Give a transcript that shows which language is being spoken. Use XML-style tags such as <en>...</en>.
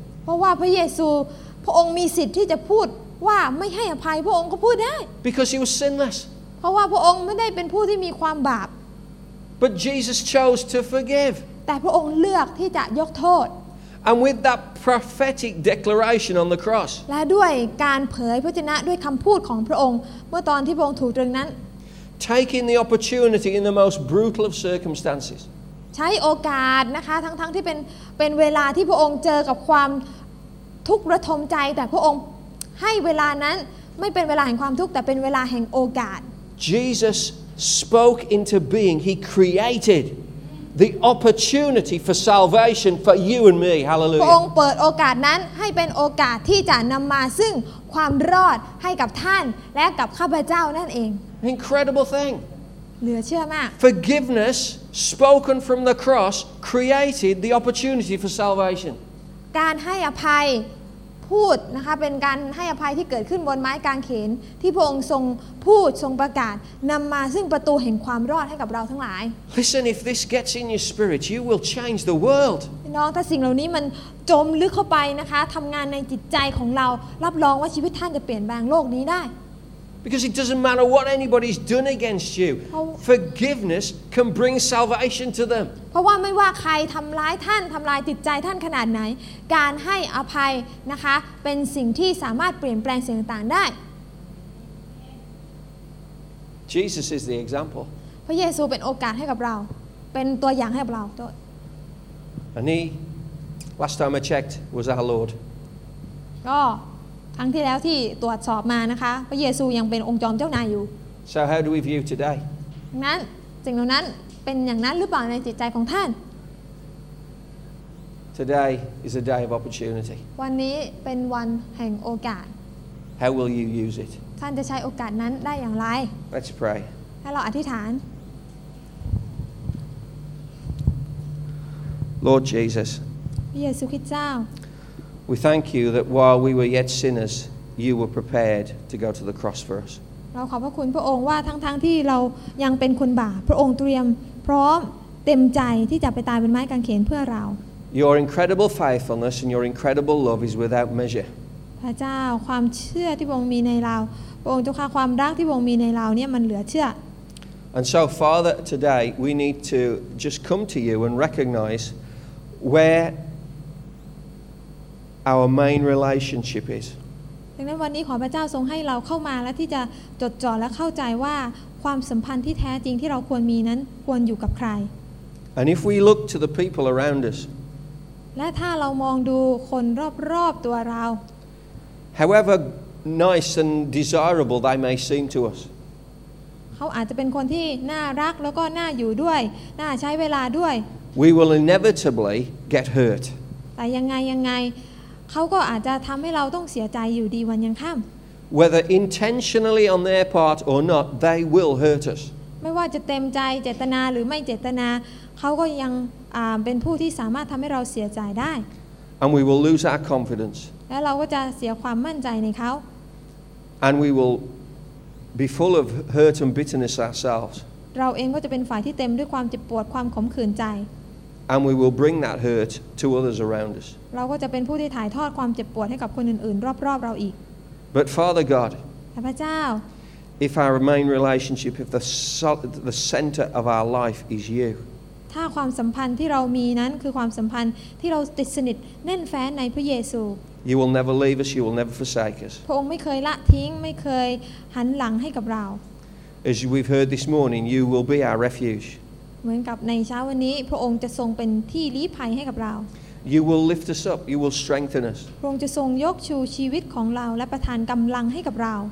<th>เพราะว่าพระเยซูพระองค์มีสิทธิ์ที่จะพูดว่าไม่ให้อภัยพระองค์ก็พูดได้</th> <en>Because he was sinless.</en> <th>เพราะว่าพระองค์ไม่ได้เป็นผู้ที่มีความบาป</th> <en>But Jesus chose to forgive.</en> <th>แต่พระองค์เลือกที่จะยกโทษ</th> <en>And with that prophetic declaration on the cross</en> <th>และด้วยการเผยพระวจนะด้วยคำพูดของพระองค์เมื่อตอนที่พระองค์ถูกตรึงนั้น</th> <en>Taking the opportunity in the most brutal of circumstances</en> <th>ใช้โอกาสนะคะทั้งที่เป็นเวลาที่พระองค์เจอกับความทุกข์ระทมใจแต่พระองค์ให้เวลานั้นไม่เป็นเวลาแห่งความทุกข์แต่เป็นเวลาแห่งโอกาส</th> <en>Jesus spoke into being he createdThe opportunity for salvation for you and me, Hallelujah.</en> <th>พระองค์เปิดโอกาสนั้นให้เป็นโอกาสที่จะนำมาซึ่งความรอดให้กับท่านและกับข้าพเจ้านั่นเอง</th> <en>Incredible thing.</en> <th>เหลือเชื่อมาก</th> <en>Forgiveness spoken from the cross created the opportunity for salvation.</en> <th>การให้อภัยพูดนะคะเป็นการให้อภัยที่เกิดขึ้นบนไม้กางเขนที่พระองค์ทรงพูดทรงประกาศนำมาซึ่งประตูแห่งความรอดให้กับเราทั้งหลาย</th> <en>Listen if this gets in your spirit you will change the world</en> <th>น้องถ้าสิ่งเหล่านี้มันจมลึกเข้าไปนะคะทำงานในจิตใจของเรารับรองว่าชีวิตท่านจะเปลี่ยนแปลงโลกนี้ได้</th> <en>Because it doesn't matter what anybody's done against you forgiveness can bring salvation to them</en> <th>เพราะว่าไม่ว่าใครทำร้ายท่านทำลายจิตใจท่านขนาดไหนการให้อภัยนะคะเป็นสิ่งที่สามารถเปลี่ยนแปลงสิ่งต่างๆได้</th> <en>Jesus is the example.</en> <th>พระเยซูเป็นโอกาสให้กับเราเป็นตัวอย่างให้กับเราด้วย</th> <en>And he, last time I checked, was our Lord.</en> <th>ก็ครั้งที่แล้วที่ตรวจสอบมานะคะพระเยซูยังเป็นองค์จอมเจ้านายอยู่</th> <en>So how do we view today?</en> <th>นั้นสิ่งเหล่านั้นเป็นอย่างนั้นหรือเปล่าในจิตใจของท่าน</th> <en>Today is a day of opportunity.</en> <th>วันนี้เป็นวันแห่งโอกาส</th> <en>How will you use it?</en> <th>ท่านจะใช้โอกาสนั้นได้อย่างไร</th> <en>Let's pray.</en> <th>ให้เราอธิษฐาน</th> <en>Lord Jesus.</en> <th>พระเยซูคริสต์เจ้า</th> <en>We thank you that while we were yet sinners, you were prepared to go to the cross for us.</en> <th>เราขอบพระคุณพระองค์ว่าทั้งที่เรายังเป็นคนบาปพระองค์เตรียมพร้อมเต็มใจที่จะไปตายบนไม้กางเขนเพื่อเรา</th> <en>Your incredible faithfulness and your incredible love is without measure.</en> <th>พระเจ้าความเชื่อที่พระองค์มีในเราพระองค์เจ้าค่ะความรักที่พระองค์มีในเราเนี่ยมันเหลือเชื่อ</th> <en>And so Father today we need to just come to you and recognize where our main relationship is</en> <th>ดังนั้นวันนี้ขอพระเจ้าทรงให้เราเข้ามาและที่จะจดจ่อและเข้าใจว่าความสัมพันธ์ที่แท้จริงที่เราควรมีนั้นควรอยู่กับใคร</th> <en>And if we look to the people around us</en> <th>และถ้าเรามองดูคนรอบๆตัวเรา</th> <en>However nice and desirable they may seem to us</en> <th>เขาอาจจะเป็นคนที่น่ารักแล้วก็น่าอยู่ด้วยน่าใช้เวลาด้วย</th> <en>We will inevitably get hurt</en> <th>แต่ยังไงเขาก็อาจจะทำให้เราต้องเสียใจอยู่ดีวันยังค่ำ</th> <en>Whether intentionally on their part or not they will hurt us</en> <th>ไม่ว่าจะเต็มใจเจตนาหรือไม่เจตนาเขาก็ยังเป็นผู้ที่สามารถทำให้เราเสียใจได้</th> <en>And we will lose our confidence</en> <th>แล้วเราก็จะเสียความมั่นใจในเขา</th> <en>And we will be full of hurt and bitterness ourselves</en> <th>เราเองก็จะเป็นฝ่ายที่เต็มด้วยความเจ็บปวดความขมขื่นใจ</th> <en>And we will bring that hurt to others around us</en> <th>เราก็จะเป็นผู้ที่ถ่ายทอดความเจ็บปวดให้กับคนอื่นๆรอบๆเราอีก</th> <en>But Father God</en> <th>พระเจ้า</th> <en>If our main relationship, if the center of our life is you,</en> <th>ถ้าความสัมพันธ์ที่เรามีนั้นคือความสัมพันธ์ที่เราติดสนิทแน่นแฟ้นในพระเยซู</th> <en>you will never leave us, you will never forsake us.</en> <th>พระองค์ไม่เคยละทิ้งไม่เคยหันหลังให้กับเรา</th> <en>As we've heard this morning, you will be our refuge.</en> <th>เหมือนกับในเช้าวันนี้พระองค์จะทรงเป็นที่ลี้ภัยให้กับเรา</th> <en>You will lift us up. You will strengthen us.</en> <th>พระองค์จะทรงยกชูชีวิตของเราและประทานกำลังให้กับเรา</th>